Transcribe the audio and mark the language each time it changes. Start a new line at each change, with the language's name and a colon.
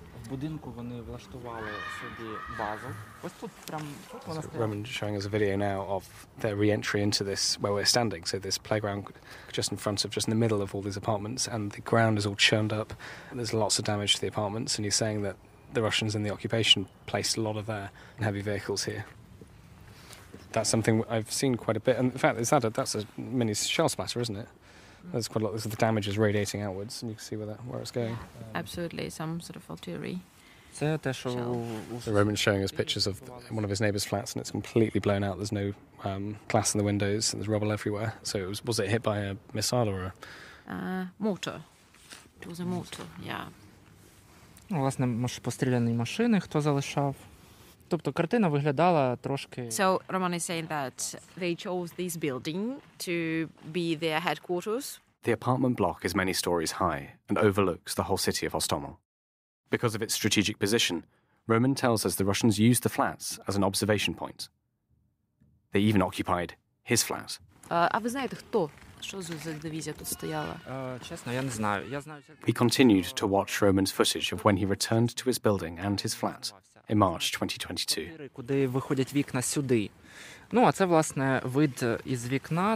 Ukrainian: Будинку вони влаштували собі базу. Ось тут прям тут вона стоїть.
English: Roman showing us a video now of their re-entry into this where we're standing. So this playground just in front of, just in the middle of all these apartments, and the ground is all churned up. There's lots of damage to the apartments, and he's saying that the Russians in the occupation placed a lot of their heavy vehicles here. That's something I've seen quite a bit. And in fact, is that that's a mini shell splatter, isn't it? There's quite a lot. The damage is radiating outwards, and you can see where it's going. Absolutely, some sort of artillery. The Roman's showing us pictures of one of his neighbour's flats, and it's completely blown out. There's no glass in the windows, and there's rubble everywhere. So was it hit by a missile or a mortar? It was a mortar, yeah.
Ukrainian: Власне, може, постріляні машини хто залишав? Тобто картина виглядала трошки.
English: So Roman is saying that they chose this building to be their headquarters. The apartment block is many stories high and overlooks the whole city of Hostomel. Because of its strategic position, Roman tells us the Russians used the flats as an observation point. They even occupied his flat.
Ukrainian: А ви знаєте, хто? Що за дивізія тут стояла? Чесно, я не знаю. Я знаю тільки.
English: We continued to watch Roman's footage of when he returned to his building and his flat. In March 2022.
Ukrainian: Куди виходять вікна сюди. Ну, а це, власне, вид із вікна.